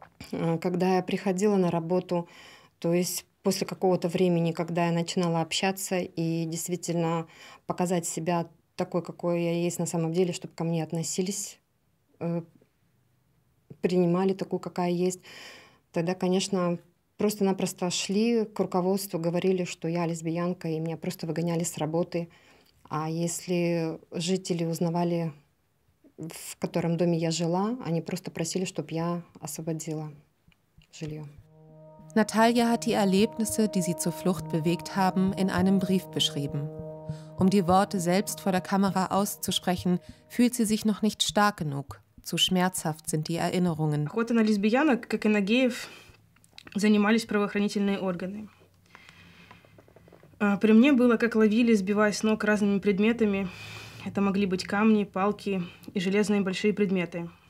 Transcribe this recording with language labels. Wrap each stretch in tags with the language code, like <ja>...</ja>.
<ru>Когда я приходила на работу, то есть после какого-то времени, когда я начинала общаться и действительно показать себя такой, какой я есть на самом деле, чтобы ко мне относились, принимали такую, какая есть, тогда, конечно, просто-напросто шли к руководству, говорили, что я лесбиянка, и меня просто выгоняли с работы. А если жители узнавали, в котором доме я жила, они просто просили, чтобы я освободила жилье.</ru> <de>Наталья hat die Erlebnisse, die sie zur Flucht bewegt haben, in einem Brief beschrieben. Um die Worte selbst vor der Kamera auszusprechen, fühlt sie sich noch nicht stark genug. Zu schmerzhaft sind die Erinnerungen.</de> <ru>Хоть она лесбиянка, как и Нагеев, занимались правоохранительные органы. При мне было, как ловили, сбивая с ног разными предметами. Это могли быть камни, палки и железные большие предметы.</ru>